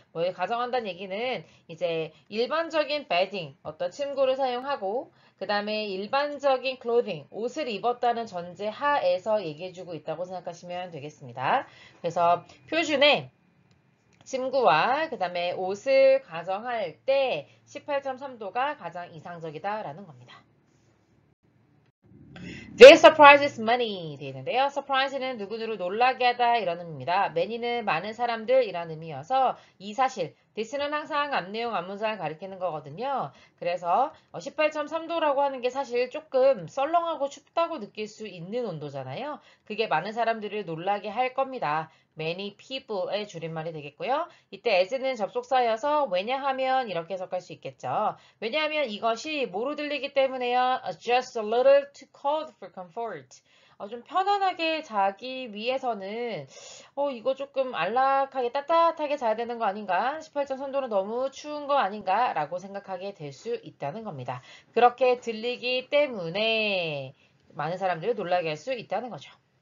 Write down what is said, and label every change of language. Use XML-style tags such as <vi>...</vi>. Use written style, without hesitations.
<ko>뭐를 가정한다는 얘기는 이제 일반적인 배딩, 어떤 침구를 사용하고, 그 다음에 일반적인 클로딩, 옷을 입었다는 전제 하에서 얘기해주고 있다고 생각하시면 되겠습니다. 그래서 표준에 침구와 그 다음에 옷을 가정할 때 18.3도가 가장 이상적이다라는 겁니다.</ko> <en>This surprises many</en> <ko>되어있는데요. Surprise는 누구누구 놀라게 하다 이런 의미입니다. Many는 많은 사람들 이란 의미여서 이 사실, This는 항상 앞내용 앞문장을 가리키는 거거든요. 그래서 18.3도라고 하는 게 사실 조금 썰렁하고 춥다고 느낄 수 있는 온도잖아요. 그게 많은 사람들을 놀라게 할 겁니다. Many people의 줄임말이 되겠고요. 이때 as는 접속사여서 왜냐하면 이렇게 해석할 수 있겠죠. 왜냐하면 이것이 뭐로 들리기 때문에요.</ko> <en>Just a little too cold for comfort.</en> <ko>좀 편안하게 자기 위해서는 이거 조금 안락하게 따뜻하게 자야 되는 거 아닌가? 18.3도는 너무 추운 거 아닌가?라고 생각하게 될수 있다는 겁니다. 그렇게 들리기 때문에 많은 사람들을 놀라게 할수 있다는 거죠.</ko>